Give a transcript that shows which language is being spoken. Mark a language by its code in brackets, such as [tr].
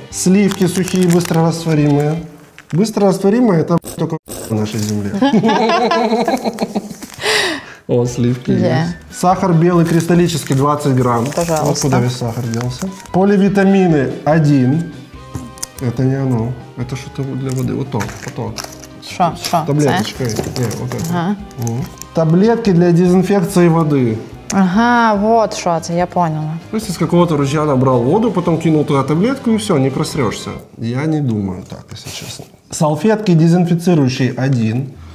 [uk] Сливки сухі і швидкорозтворимі. Швидкорозтворимі – це тільки на нашій землі. О, сливки є. Сахар білий кристаллический 20 грамм. [ru] Пожалуйста. [uk] О, куди весь сахар ділся? Полівітаміни 1. Це не воно. Це щось для води. Ото, ото. Що? Що? Таблеточка. Ні, ото. Ага. Таблетки для дезінфекції води. [ru] Ага, вот что это, я поняла. То есть из какого-то ружья набрал воду, потом кинул туда таблетку и все, не просрешься. Я не думаю так, если честно. Салфетки дезинфицирующие 1.